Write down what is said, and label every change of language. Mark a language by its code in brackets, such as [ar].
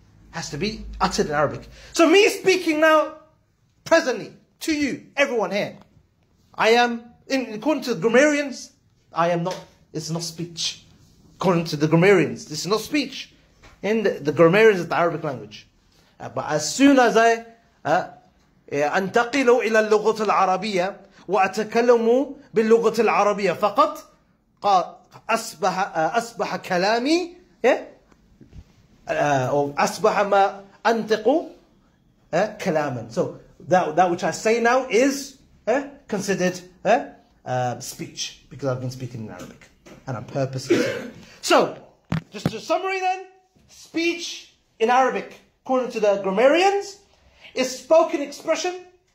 [en] Has to be uttered in Arabic. So me speaking now, presently, to you, everyone here, I am, according to the grammarians, it's not speech. According to the grammarians, this is not speech. In the grammarians of the Arabic language. But as soon as I [ar] أنتقل إلى اللغة العربية وأتكلم باللغة العربية فقط أصبح كلامي [en] or [ar] أصبح ما أنطق كلاما. [en] So that which I say now is considered speech, because I've been speaking in Arabic and I'm purposely saying it. So just a summary then, speech in Arabic, according to the grammarians, is spoken expression.